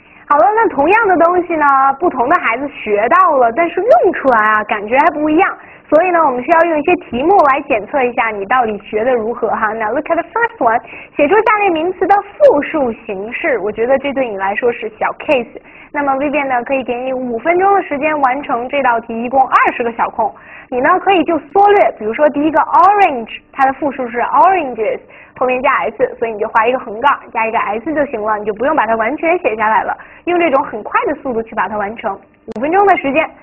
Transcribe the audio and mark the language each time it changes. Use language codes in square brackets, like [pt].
[zh] 好了，那同样的东西呢，不同的孩子学到了，但是用出来啊，感觉还不一样。所以呢，我们需要用一些题目来检测一下你到底学的如何哈。 [en] Now look at the first one， [zh] 写出下列名词的复数形式。我觉得这对你来说是小 case。那么 Vivian 呢，可以给你5分钟的时间完成这道题，一共20个小空。你呢，可以就缩略，比如说第一个 orange，它的复数是 oranges，后面加 s，所以你就画一个横杠，加一个 s 就行了，你就不用把它完全写下来了，用这种很快的速度去把它完成，5分钟的时间。